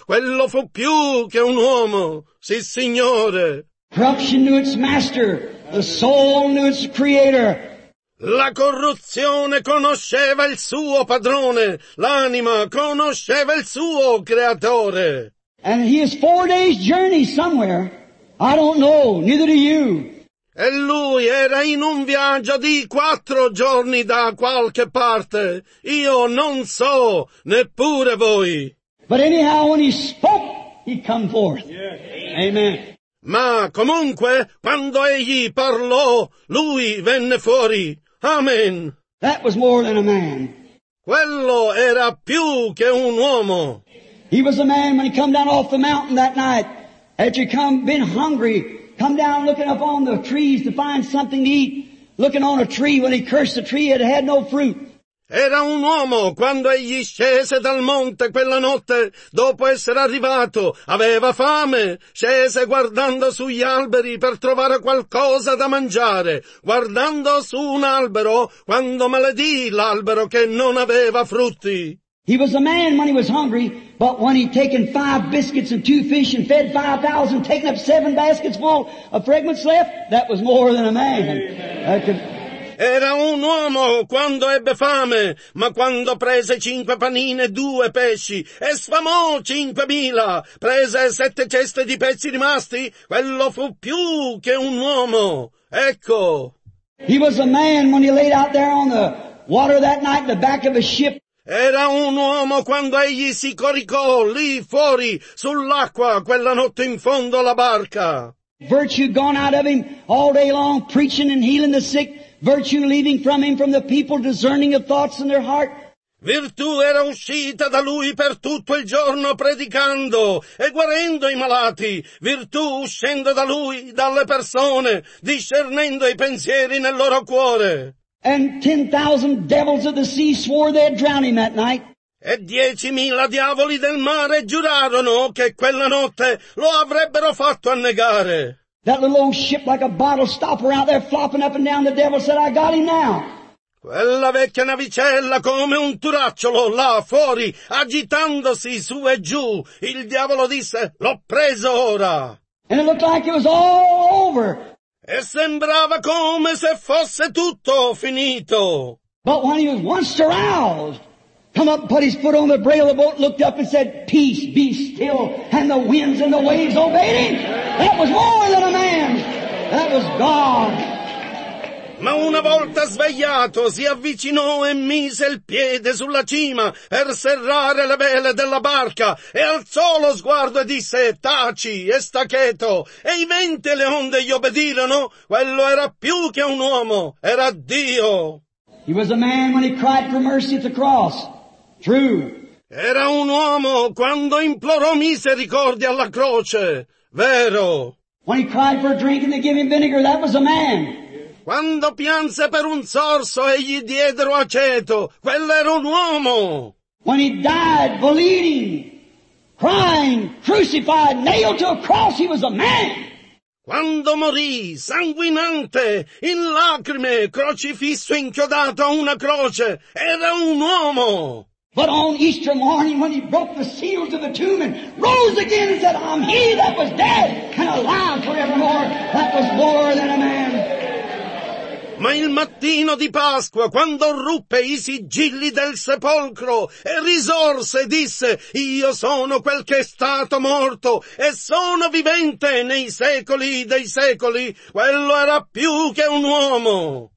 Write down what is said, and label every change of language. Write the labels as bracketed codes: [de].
[it] Quello fu più che un uomo. Sì, Signore! [en] Corruption knew its master. The soul knew its creator. [it] La corruzione conosceva il suo padrone. L'anima conosceva il suo creatore. [en] And he is 4 days journey somewhere. I don't know, neither do you. [it] E lui era in un viaggio di 4 giorni da qualche parte. Io non so, neppure voi. [en] But anyhow, when he spoke, he come forth. Yes. Amen. [it] Ma comunque, quando egli parlò, lui venne fuori. Amen. [en] That was more than a man. [it] Quello era più che un uomo. [en] He was a man when he come down off the mountain that night. Had you come, been hungry, come down looking up on the trees to find something to eat, looking on a tree when he cursed the tree, it had no fruit. [it] Era un uomo quando egli scese dal monte quella notte, dopo essere arrivato, aveva fame, scese guardando sugli alberi per trovare qualcosa da mangiare, guardando su un albero, quando maledì l'albero che non aveva frutti. [en] He was a man when he was hungry, but when he'd taken 5 biscuits and 2 fish and fed 5,000, taken up 7 baskets full of fragments left, that was more than a man. [it] Era un uomo quando ebbe fame, ma quando prese 5 panine e 2 pesci e sfamò 5,000, prese 7 ceste di pezzi rimasti, quello fu più che un uomo. Ecco. [en] He was a man when he laid out there on the water that night in the back of a ship. [it] Era un uomo quando egli si coricò lì fuori sull'acqua quella notte in fondo alla barca. [en] Virtue gone out of him all day long, preaching and healing the sick. Virtue leaving from him, from the people discerning of thoughts in their heart. [it] Virtù era uscita da lui per tutto il giorno predicando e guarendo i malati. Virtù uscendo da lui, dalle persone, discernendo i pensieri nel loro cuore. [en] And 10,000 devils of the sea swore they'd drown him that night. [it] E 10,000 diavoli del mare giurarono che quella notte lo avrebbero fatto annegare. [en] That little old ship like a bottle stopper out there flopping up and down, the devil said, I got him now. [it] Quella vecchia navicella come un turacciolo là fuori, agitandosi su e giù, il diavolo disse, l'ho preso ora. [en] And it looked like it was all over. [it] E sembrava come se fosse tutto finito. [en] But when he was once aroused, come up and put his foot on the rail of the boat, looked up and said, peace, be still, and the winds and the waves obeyed him. That was more than a man. That was God. [it] Ma una volta svegliato, si avvicinò e mise il piede sulla cima per serrare le vele della barca e alzò lo sguardo e disse, taci e sta cheto. E i venti e le onde gli obbedirono. Quello era più che un uomo, era Dio. [en] He was a man when he cried for mercy at the cross. True. [it] Era un uomo quando implorò misericordia alla croce. Vero. [en] When he cried for a drink and they gave him vinegar, that was a man. [it] Quando pianse per un sorso e gli diedero aceto, quello era un uomo. [en] When he died bleeding, crying, crucified, nailed to a cross, he was a man. [it] Quando morì, sanguinante, in lacrime, crocifisso, inchiodato a una croce, era un uomo. [en] But on Easter morning, when he broke the seals of the tomb and rose again and said, I'm he that was dead and alive forevermore, that was more than a man. [it] Ma il mattino di Pasqua, quando ruppe i sigilli del sepolcro e risorse, disse, io sono quel che è stato morto e sono vivente nei secoli dei secoli. Quello era più che un uomo.